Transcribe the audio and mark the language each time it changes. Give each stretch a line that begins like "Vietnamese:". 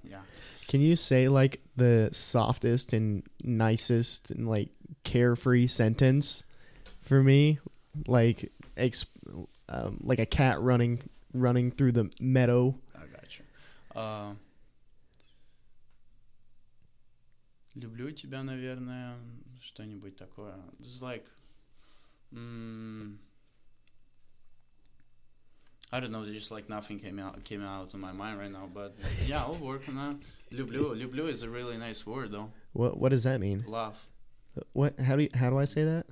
English: Yeah. Can you say like the softest and nicest and like carefree sentence for me? Like like a cat running through the meadow. I got you.
Russian: Люблю тебя, наверное, что-нибудь такое.
English: It's like I don't know, just like nothing came out of my mind right now, but yeah, I'll work on that. Люблю is a really nice word though. What does that mean? Love. What how do I say that?